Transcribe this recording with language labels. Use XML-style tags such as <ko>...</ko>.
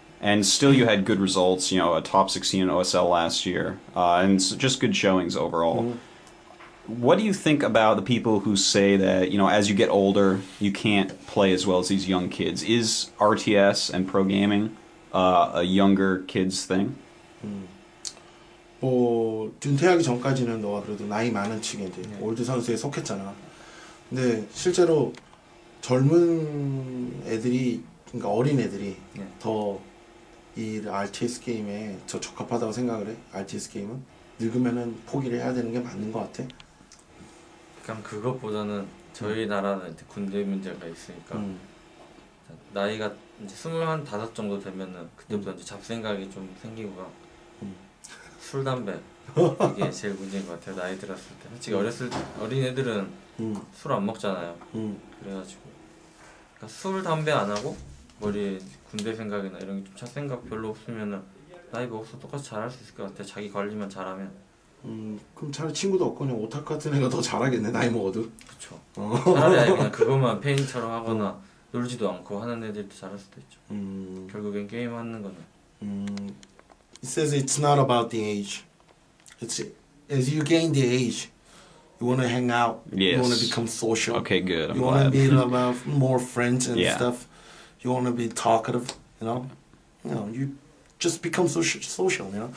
<en>And still you had good results, you know, a top 16 in OSL last year, and just good showings overall. Mm-hmm. What do you think about the people who say that, you know, as you get older, you can't play as well as these young kids? Is RTS and pro gaming a younger kid's thing?</en> <ko>뭐, 은퇴하기 전까지는 너가 그래도 나이 많은 층에 이제 올드 선수에 속했잖아. 근데 실제로 젊은 애들이, 그러니까 어린 애들이 더 이 RTS 게임에 저 적합하다고 생각을 해. RTS 게임은 늙으면은 포기를 해야 되는 게 맞는 것 같아. 그냥 그것보다는 저희 나라는 이제 군대 문제가 있으니까 나이가 이제 25 정도 되면은 그때부터 이제 잡생각이 좀 생기고 술 담배 이게 제일 문제인 것 같아요. 나이 들었을 때. 솔직히 어렸을 어린 애들은 술 안 먹잖아요. 그래가지고 그러니까 술 담배 안 하고. 머리에 군대 생각이나 이런 게 좀 첫 생각 별로 없으면은 나이 먹어서 똑같이 잘할 수 있을 것 같아 자기 관리만 잘하면 그럼 차라리 친구도 없고 그냥 오타쿠 같은 애가 더 잘하겠네 나이 먹어도 그쵸 어. 차라리 아니 그냥 그것만 페인처럼 하거나 놀지도 않고 하는 애들도 잘할 수도 있죠 결국엔 게임 하는 거는</ko> <en>It says it's not about the age It's as you gain the age You want to hang out Yes. You want to become social Okay good I'm You want to be about more friends and yeah. stuff You want to be talkative, you know? You know, you just become social, you know?</en>